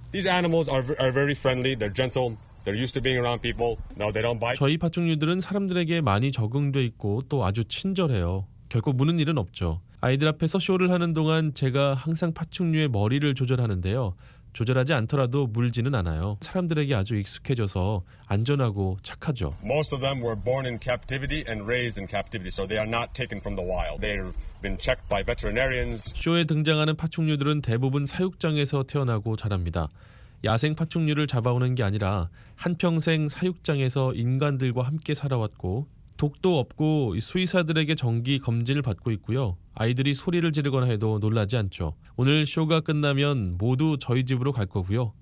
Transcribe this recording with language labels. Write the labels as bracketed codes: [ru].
[en] These animals are very friendly. They're gentle. They're used to being around people. Now they don't bite. [ko] 저희 파충류들은 사람들에게 많이 적응돼 있고 또 아주 친절해요. 결코 무는 일은 없죠. 아이들 앞에서 쇼를 하는 동안 제가 항상 파충류의 머리를 조절하는데요. 조절하지 않더라도 물지는 않아요. 사람들에게 아주 익숙해져서 안전하고 착하죠. [en] Most of them were born in captivity and raised in captivity, so they are not taken from the wild. They've been checked by veterinarians. [ko] 쇼에 등장하는 파충류들은 대부분 사육장에서 태어나고 자랍니다. 야생 파충류를 잡아오는 게 아니라 한평생 사육장에서 인간들과 함께 살아왔고 독도 없고 수의사들에게 정기 검진을 받고 있고요. 아이들이 소리를 지르거나 해도 놀라지 않죠. 오늘 쇼가 끝나면 모두 저희 집으로 갈 거고요.